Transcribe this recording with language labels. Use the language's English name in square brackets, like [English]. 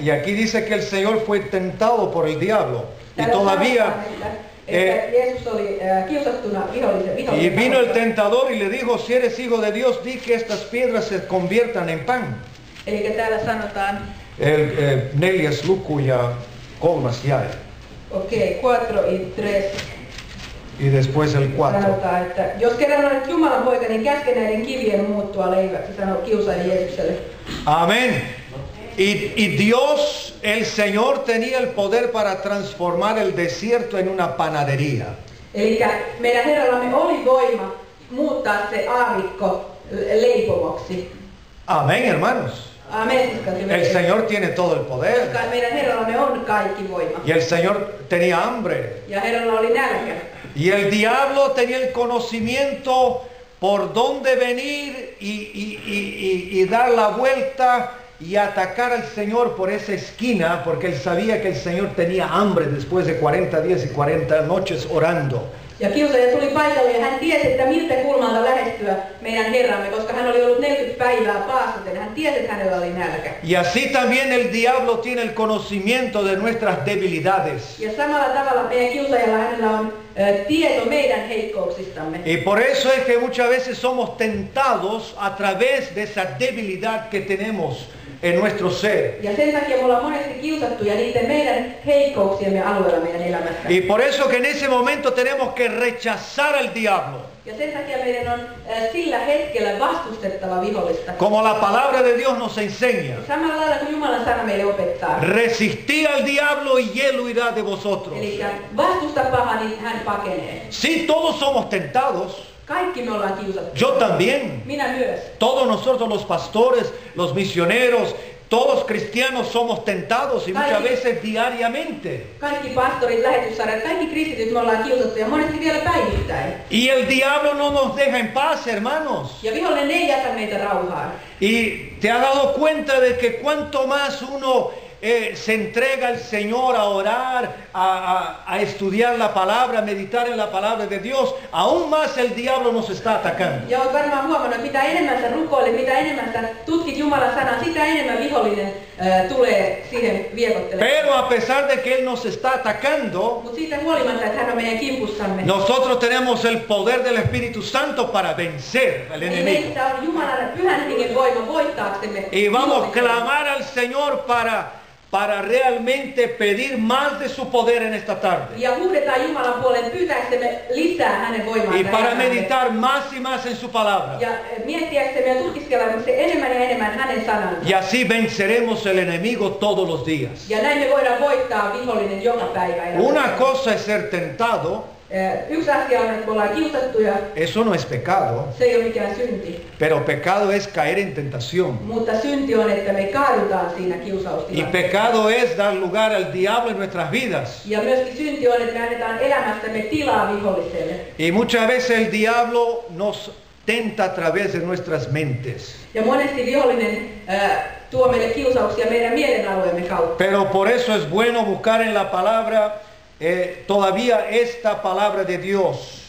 [Spanish] Y aquí dice que el Señor fue tentado por el diablo. Y todavía. [Finnish] Jeesus oli kiusattuna vihollisen. [Spanish] Y vino el tentador y le dijo: si eres hijo de Dios, di que estas piedras se conviertan en pan. [Finnish] Eli que täällä sanotaan. El 4. luku ja 3. jae. [Spanish] Okei, 4 y 3. Y después el 4. [Finnish] Sanotaan, että jos kerran olet Jumalan poika, niin käske näiden kivien muuttua leiväksi, sanoi kiusaaja Jeesukselle. [Spanish] Amén. Y Dios, el Señor, tenía el poder para transformar el desierto en una panadería. [Finnish] Eli meidän Herrallamme oli voima muuttaa se aavikko leipomoksi. [Spanish] Amén, hermanos. Amén. El Señor tiene todo el poder. [Finnish] Koska meidän Herrallamme on kaikki voima. [Spanish] Y el Señor tenía hambre. [Finnish] Ja Herralla oli nälkä. [Spanish] Y el diablo tenía el conocimiento por dónde venir y dar la vuelta y atacar al Señor por esa esquina, porque él sabía que el Señor tenía hambre después de 40 días y 40 noches orando. Y aquí usted ya [Finnish] tuli paikalle, ja hän tiesi, että miltä kulmalta lähestyä meidän Herramme, koska hän oli ollut 40 päivää paastoten, hän tiesi, että hänellä oli nälkä. [Spanish] Y así también el diablo tiene el conocimiento de nuestras debilidades. [Finnish] Ja samalla tavalla meidän kiusaajalla hänellä on tieto meidän heikkouksistamme. [Spanish] Y por eso es que muchas veces somos tentados a través de esa debilidad que tenemos en nuestro ser. [Finnish] Ja sen takia me ollaan monesti kiusattuja niiden meidän heikkouksiemme alueella meidän elämässä. [Spanish] Y por eso que en ese momento tenemos que rechazar al diablo. [Finnish] Ja sen takia meidän on sillä hetkellä vastustettava vihollista. [Spanish] Como la palabra de Dios nos enseña. [Finnish] Samalla lailla kuin Jumalan sana meille opettaa. [Spanish] Resistí al diablo y él huirá de vosotros. [Finnish] Eli vastusta paha, niin hän pakenee. [Spanish] Si todos somos tentados. [Finnish] Kaikki me ollaan kiusattu. [Spanish] Yo también. [Finnish] Minä myös. [Spanish] Todos nosotros los pastores, los misioneros, todos cristianos somos tentados y muchas veces diariamente. [Finnish] Kaikki pastorit, lähetyssarjat, kaikki kristityt me ollaan kiusattu ja monesti vielä päivittäin. [Spanish] Y el diablo no nos deja en paz, hermanos. [Finnish] Ja vihollinen ei jätä meitä rauhaan. [Spanish] Y te ha dado cuenta de que cuanto más uno se entrega al Señor a orar, a estudiar la palabra, a meditar en la palabra de Dios, aún más el diablo nos está atacando. [Finnish] Ja olet varmaan huomannut, mitä enemmän sä rukoilet, mitä enemmän sä tutkit Jumalan sanaa, sitä enemmän vihollinen tulee siihen viekottelemaan. [Spanish] Pero a pesar de que él nos está atacando, [Finnish] mut siitä huolimatta, että hän on meidän kimpussamme, [Spanish] nosotros tenemos el poder del Espíritu Santo para vencer al enemigo. [Finnish] Meissä on Jumalan pyhän hengen voima voittaaksemme. [Spanish] Y vamos a clamar al Señor para realmente pedir más de su poder en esta tarde. [Finnish] Ja huudetaan Jumalan puoleen pyytääksemme lisää hänen voimaa. [Spanish] Y para meditar más y más en su palabra. [Finnish] Ja miettiäksemme ja tutkiskelemme enemmän ja enemmän hänen sanansa. [Spanish] Y así venceremos el enemigo todos los días. [Finnish] Ja näin me voidaan voittaa vihollinen joka päivä. [Spanish] Una cosa es ser tentado. [Finnish] Yksi asia on, että me ollaan kiusattuja. [Spanish] Eso no es pecado. [Finnish] Se ei ole mikään synti. [Spanish] Pero pecado es caer en tentación. [Finnish] Mutta synti on, että me kaadutaan siinä kiusaustilanteessa. [Spanish] Y pecado es dar lugar al diablo en nuestras vidas. [Finnish] Ja myöskin synti on, että me annetaan elämästämme tilaa viholliselle. [Spanish] Y muchas veces el diablo nos tenta a través de nuestras mentes. [Finnish] Ja monesti vihollinen tuo meille kiusauksia meidän mielenalueemme kautta. [Spanish] Pero por eso es bueno buscar en la palabra todavía esta palabra de Dios.